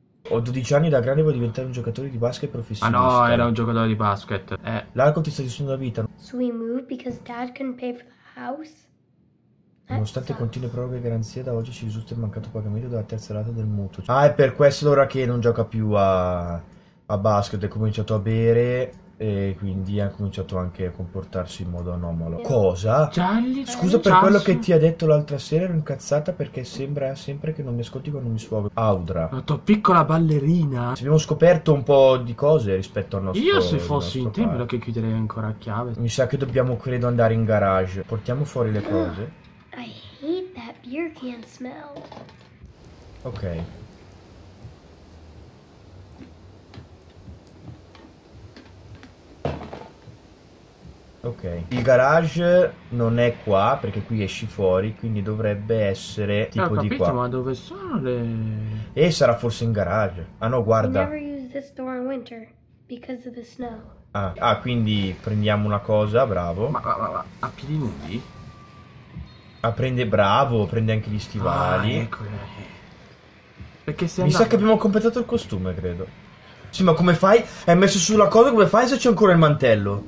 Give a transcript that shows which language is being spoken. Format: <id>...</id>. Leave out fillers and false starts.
<it>Ho 12 anni, da grande vuoi diventare un giocatore di basket professionista. Ah no, era un giocatore di basket. L'arco ti sta distruggendo la vita.</it> <en>So we move because dad couldn't pay for the house?</en> <it>Nonostante continue prove di garanzia, da oggi ci risulta il mancato pagamento della terza rata del mutuo. Ah, è per questo allora che non gioca più a basket, è cominciato a bere e quindi ha cominciato anche a comportarsi in modo anomalo. Cosa? Gialli, scusa per quello che ti ha detto l'altra sera, ero incazzata perché sembra sempre che non mi ascolti quando mi sfogo. Audra, la tua piccola ballerina. Ci abbiamo scoperto un po' di cose rispetto al nostro... Io se fossi in te me lo che chiuderei ancora a chiave. Mi sa che dobbiamo, credo, andare in garage. Portiamo fuori le cose.</it> <en>I hate that beer can smell.</en> <it>Ok. Ok. Il garage non è qua, perché qui esci fuori, quindi dovrebbe essere tipo capito, di qua. Ma dove sono le... E sarà forse in garage. Ah no, guarda.</it> <en>Never use this door in winter because of the snow.</en> <it>Ah, quindi prendiamo una cosa, bravo. Ma a piedi nudi? Ah, prende, bravo, prende anche gli stivali. Ah, ecco. Perché mi sa che abbiamo completato il costume, credo. Sì, ma come fai? Hai messo sulla cosa, come fai se c'è ancora il mantello?</it>